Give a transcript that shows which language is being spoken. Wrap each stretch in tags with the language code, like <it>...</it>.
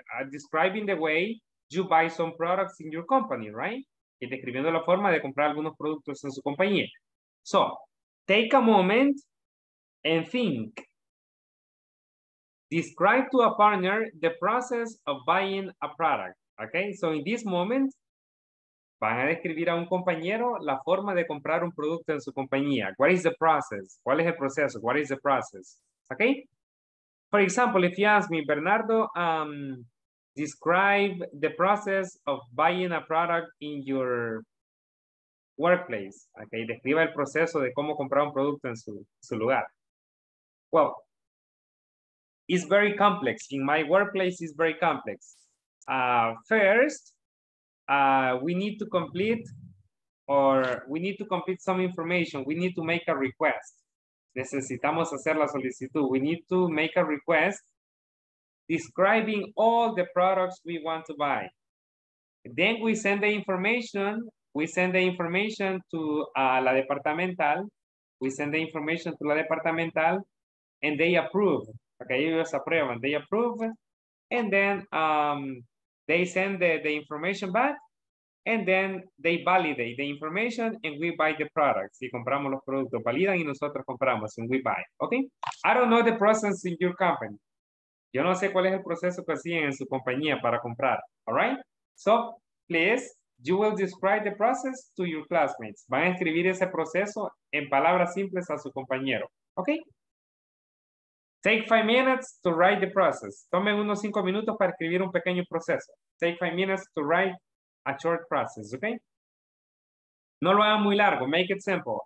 <en>Describing the way you buy some products in your company, right?</en> <es>Y describiendo la forma de comprar algunos productos en su compañía.</es> <en>So, take a moment and think. Describe to a partner the process of buying a product, okay? So, in this moment,</en> <es>van a describir a un compañero la forma de comprar un producto en su compañía.</es> <en>What is the process?</en> <es>¿Cuál es el proceso?</es> <en>What is the process? Okay. For example, if you ask me, Bernardo, describe the process of buying a product in your workplace.</en> <es>Okay, describa el proceso de cómo comprar un producto en su lugar.</es> <en>Well, it's very complex. In my workplace, it's very complex. First, we need to complete some information. We need to make a request.</en> <es>Necesitamos hacer la solicitud.</es> <en>We need to make a request describing all the products we want to buy. Then we send the information. We send the information to la departamental. We send the information to la departamental and they approve. Okay,</en> <es>ellos aprueban.</es> <en>They approve. And then they send the information back. And then they validate the information and we buy the products.</en> <es>Si compramos los productos, validan y nosotros compramos</es> <en>and we buy.</en> <es>Okay?</es> <en>I don't know the process in your company.</en> <es>Yo no sé cuál es el proceso que siguen en su compañía para comprar.</es> <en>All right? So, please, you will describe the process to your classmates.</en> <es>Van a escribir ese proceso en palabras simples a su compañero. Okay?</es> <en>Take 5 minutes to write the process.</en> <es>Tomen unos 5 minutos para escribir un pequeño proceso.</es> <en>Take 5 minutes to write a short process, okay?</en> <es>No lo hagan muy largo,</es> <en>make it simple.</en>